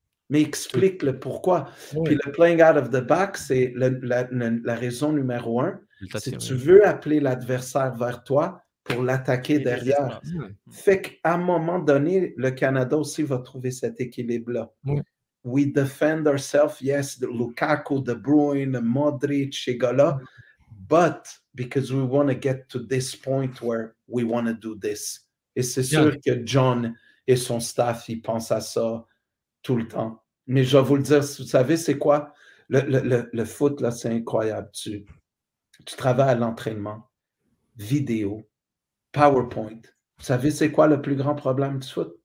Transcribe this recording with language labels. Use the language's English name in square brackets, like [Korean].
[French] Mais explique le pourquoi. Oui. Puis le « [English] playing out of the back [French] », c'est la raison numéro un. Si tu veux appeler l'adversaire vers toi, pour l'attaquer derrière. Fait qu'à un moment donné, le Canada aussi va trouver cet équilibre-là. [English] Oui. We defend ourselves, yes, the Lukaku, De Bruyne, Modric, [French] ces gars-là, [English] but because we want to get to this point where we want to do this. [French] Et c'est sûr que John et son staff, ils pensent à ça tout le temps. Mais je vais vous le dire, vous savez, c'est quoi? Le foot, là, c'est incroyable. Tu travailles à l'entraînement, vidéo, PowerPoint. Vous savez, c'est quoi le plus grand problème du foot?